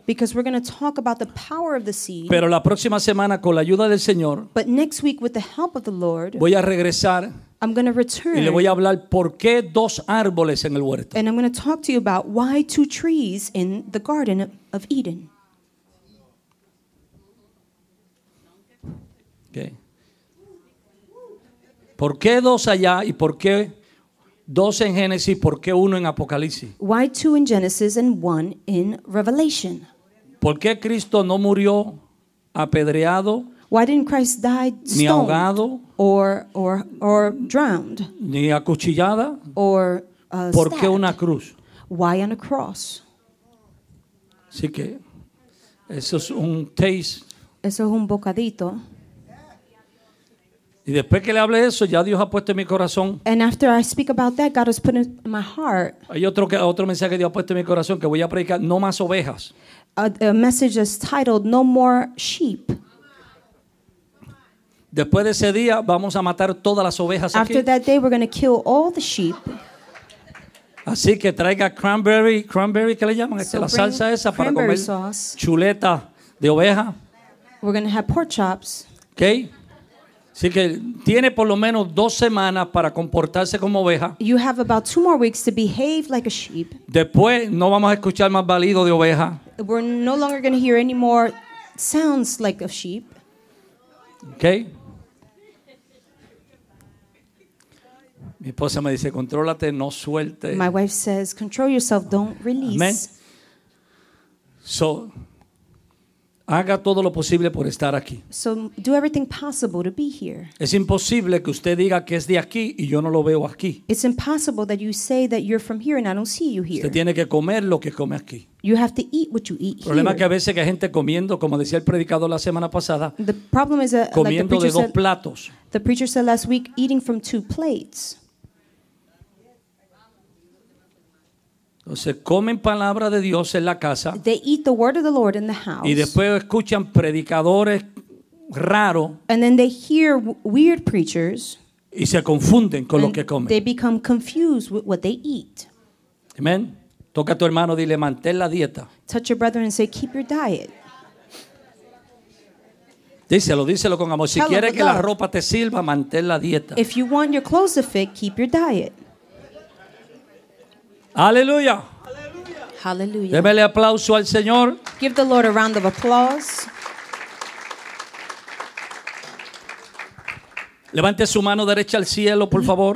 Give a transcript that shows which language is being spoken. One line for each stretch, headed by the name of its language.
English: Because we're going to talk about the power of the seed.
Spanish: Pero la próxima semana con la ayuda del Señor.
English: But next week with the help of the Lord.
Spanish: Voy a regresar.
English: I'm going to return.
Spanish: Y le voy a hablar por qué dos árboles en el huerto.
English: And I'm going to talk to you about why two trees in the Garden of Eden. Okay.
Spanish: ¿Por qué dos allá y por qué dos en Génesis y por qué uno en Apocalipsis?
English: Why two in Genesis and one in Revelation?
Spanish: ¿Por qué Cristo no murió apedreado?
English: Why didn't Christ die stoned,
Spanish: ahogado,
English: or drowned,
Spanish: ni acuchillada,
English: or
Spanish: ¿por qué una cruz?
English: Why on a cross?
Spanish: Así que eso es un taste. Eso es un bocadito. Y después que le hable eso, ya Dios ha puesto en mi corazón.
English: And after I speak about that, God has put it in my heart.
Spanish: Hay otro mensaje que Dios ha puesto en mi corazón que voy a predicar. No más ovejas.
English: A message is titled "No More Sheep."
Spanish: Después de ese día vamos a matar todas las ovejas aquí.
English: After that day we're going to kill all the sheep.
Spanish: Así que traiga cranberry, ¿qué le llaman? So la salsa esa para comer
English: sauce.
Spanish: Chuleta de oveja.
English: We're going to have pork chops. Okay.
Spanish: Así que tiene por lo menos dos semanas para comportarse como oveja.
English: You have about two more weeks to behave like a sheep.
Spanish: Después no vamos a escuchar más balido de oveja.
English: We're no longer going to hear any more sounds like a sheep. Okay.
Spanish: Mi esposa me dice, "Contrólate, no suelte."
English: My wife says, "Control yourself, don't release."
Spanish: Amen. So, Haga todo lo posible por estar aquí.
English: So do everything possible to be here.
Spanish: Es imposible que usted diga que es de aquí y yo no lo veo aquí.
English: It's impossible that you say that you're from here and I don't see you here.
Spanish: Usted tiene que comer lo que come aquí.
English: You have to eat what you eat here.
Spanish: El problema es que a veces hay gente comiendo, como decía el predicador la semana pasada,
English: the problem is that,
Spanish: comiendo
English: like the
Spanish: de dos platos.
English: The preacher said last week, eating from two plates.
Spanish: Entonces comen palabra de Dios en la casa.
English: They eat the word of the Lord in the house.
Spanish: Y después escuchan predicadores raros.
English: And then they hear weird preachers.
Spanish: Y se confunden con lo que comen.
English: They become confused with what they eat.
Spanish: Amen. Toca a tu hermano, dile, mantén la dieta.
English: Touch your brother and say, keep your diet.
Spanish: Díselo con amor. Si quieres que la ropa te sirva, mantén la dieta.
English: If you want your clothes to fit, keep your diet.
Spanish: Aleluya. Aleluya. Démele aplauso al Señor.
English: Give the Lord a round of applause.
Spanish: Levante su mano derecha al cielo, por favor.